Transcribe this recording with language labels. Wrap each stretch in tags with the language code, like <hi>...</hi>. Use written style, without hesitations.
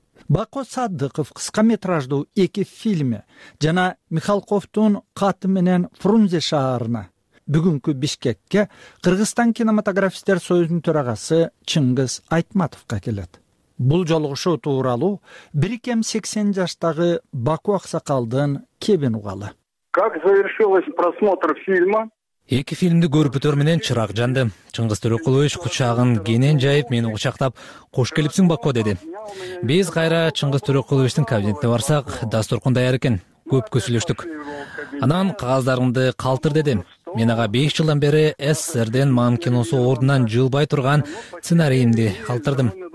<ky>Бако Садыков кыска метраждуу эки фильми жана Михалковдун каты менен Фрунзе шаарына, бүгүнкү Бишкекке Кыргызстан кинематографистер союзунун төрагасы Чыңгыз Айтматовко келет. Бул жолугушуу тууралуу 1980 жаштагы Баку аксакалдын кебин угалы.</ky> <ru>Как завершилось просмотр фильма?</ru> <ky>Эки фильмди көрүп бүтөр менен чырак жанды. Чыңгыз Төрөкулович кучагын кенен жайып мени кучактап, кош келипсиң Бако деди. Биз кайра Чыңгыз Төрөкуловичтин кабинетине барсак, дасторкун даяр экен. Көп сүйлөштүк. Анан кагаздарыңды калтыр деди. Мен ага 5 жылдан бери СССРден Ман киносу ордунан жылбай турган сценарийимди калтырдым.</ky>